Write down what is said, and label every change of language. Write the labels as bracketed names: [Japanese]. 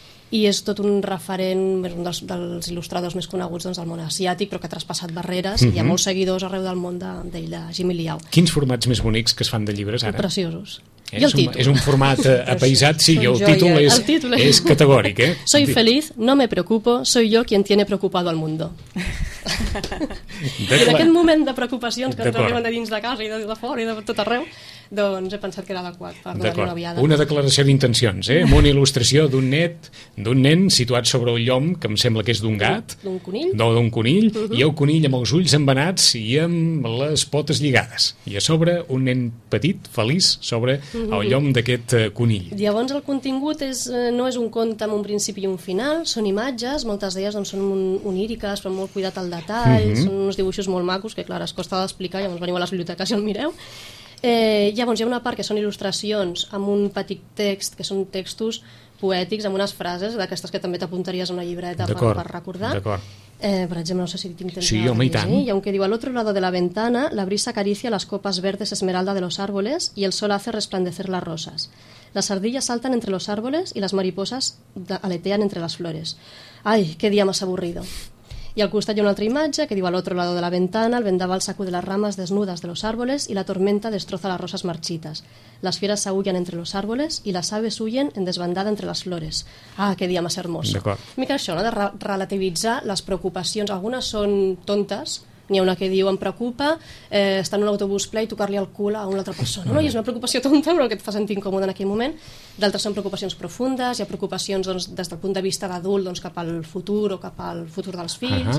[Catalan] i és tot un referent, un dels il·lustradors més coneguts doncs, del món asiàtic, però que ha traspassat barreres, i hi ha molts seguidors arreu del món d'ell, de Jimmy Liao. Quins formats més bonics que es fan de llibres ara? Preciosos. És un format apaïsat, sí, el títol és categòric. [Spanish] Soy feliz, no me preocupo, soy yo quien tiene preocupado al mundo. [Catalan] En aquest moment de preocupacions que ens arriben de dins de casa i de fora i de tot arreu, doncs he pensat que era adequat per donar-li una viada. Una declaració d'intencions, amb una il·lustració d'un nen situat sobre un llom, que em sembla que és d'un gat. D'un conill. No, d'un conill. Uh-huh. I el conill amb els ulls embenats i amb les potes lligades. I a sobre, un nen petit, feliç, sobre el llom d'aquest conill. Llavors, el contingut no és un conte amb un principi i un final, són imatges, moltes d'elles doncs, són oníriques, però molt cuidat el detall, són uns dibuixos molt macos, que clar, es costa d'explicar, llavors veniu a les biblioteques i el mireu. Llavors, hi ha una part que són il·lustracions amb un petit text, que són textos poètics, amb unes frases d'aquestes que també t'apuntaries a una llibreta per recordar. Per exemple, no sé si tinc temps. Sí, home, i tant. Hi ha un que diu, [Spanish] al otro lado de la ventana, la brisa acaricia las copas verdes esmeralda de los árboles y el sol hace resplandecer las rosas. Las ardillas saltan entre los árboles y las mariposas aletean entre las flores. Ay, qué día más aburrido. [Catalan] I al costat hi ha una altra imatge que diu, [Spanish] al otro lado de la ventana, el vendaval sacude las ramas desnudas de los árboles y la tormenta destroza las rosas marchitas. Las fieras s'aullen entre los árboles y las aves huyen en desbandada entre las flores. Ah, qué día más hermoso. [Catalan] D'acord. Mica això, no? De relativitzar les preocupacions. Algunes són tontes. N'hi ha una que diu, em preocupa estar en un autobús ple i tocar-li el cul a una altra persona. No? I és una preocupació tonta, però que et fa sentir incòmode en aquell moment. D'altres són preocupacions profundes, hi ha preocupacions doncs, des del punt de vista d'adult doncs, cap al futur o cap al futur dels fills.